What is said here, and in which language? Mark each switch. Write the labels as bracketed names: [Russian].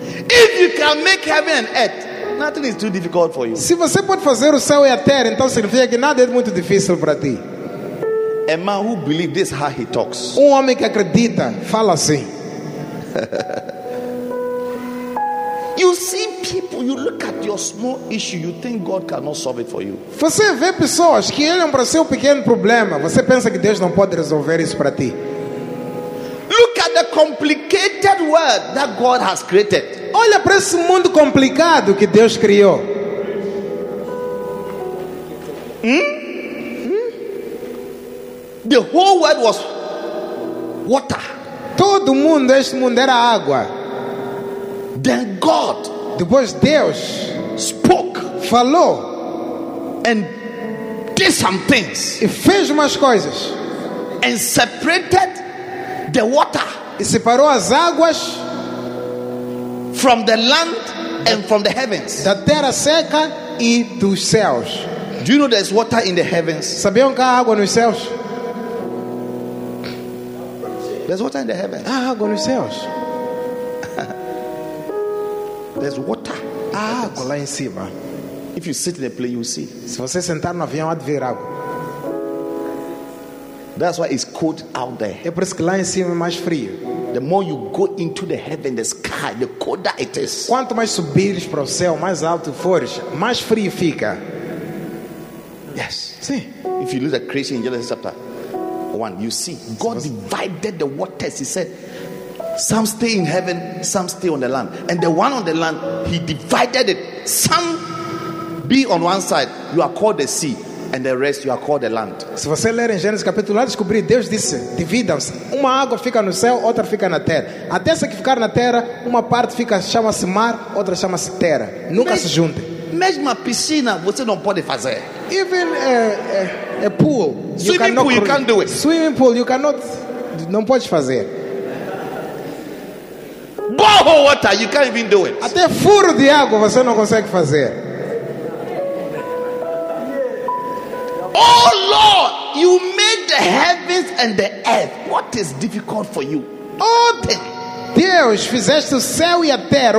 [English] If you can make heaven and earth, nothing is too difficult for you. [Portuguese] Se você pode fazer o céu e a terra, então significa que nada é muito difícil para ti. [English] A man who believes, this is how he talks. [Portuguese] Homem que acredita fala assim. [English] You see people, you look at your small issue, you think God cannot solve it for you. [Portuguese] Você vê pessoas que olham para seu pequeno problema, você pensa que Deus não pode resolver isso para ti. [English] Look at the complicated world that God has created. [Portuguese] Olha para esse mundo complicado que Deus criou. [English] The whole world was water. [Portuguese] Todo mundo, este mundo era água. [English] Then God, [Portuguese] depois Deus, [English] spoke, [Portuguese] falou, [English] and did some things, [Portuguese] e fez umas coisas, [English] and separated the water, [Portuguese] e separou as águas [English] from the land and from the heavens, [Portuguese] da terra seca e dos céus. [English] Do you know there's water in the heavens? [Portuguese] Sabiam que há água nos céus? [English] There's water in the heavens. [Portuguese] Há água nos céus. [English] There's water. [Portuguese] Há água lá em cima. [English] If you sit in a plane, you'll see. [Portuguese] Se você sentar no avião, há de ver água. [English] That's why it's cold out there. [Portuguese] É por isso que lá em cima é mais frio. [English] The more you go into the heaven, the sky, the colder it is. [Portuguese] Quanto mais subires para o céu, mais alto fores, mais frio fica. [English] Yes. See. If you look at creation in Genesis chapter 1, you see God divided the waters. He said, some stay in heaven, some stay on the land. And the one on the land, he divided it. Some be on one side, you are called the sea. And the rest you are called the land. [Portuguese] Se você ler em Gênesis capítulo 1, descobri, Deus disse, dividam-se. Uma água fica no céu, outra fica na terra. Até essa que ficar na terra, uma parte fica, chama-se mar, outra chama-se terra. Nunca se juntem. Mesmo a piscina, você não pode fazer. [English] Even a pool. Swimming pool, you can't do it. Swimming pool, you cannot, [Portuguese] não pode fazer. [English] Borehole water, you can't even do it. [Portuguese] Até furo de água, você não consegue fazer. [English] Oh Lord, you made the heavens and the earth. What is difficult for you? [Portuguese] Oh Deus, fizeste o céu e a terra.